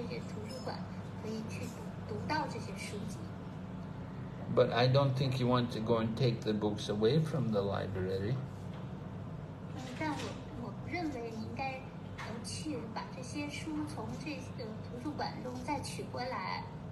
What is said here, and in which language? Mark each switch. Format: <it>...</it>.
<zh>若是放在庙里的图书馆里，那是好，其实是一件好事。我们希望将来会有人去这些图书馆，可以去读到这些书籍。</zh> <en>But I don't think you want to go and take the books away from the library.</en> <zh>但我认为应该去把这些书从这个图书馆中再取过来。</zh>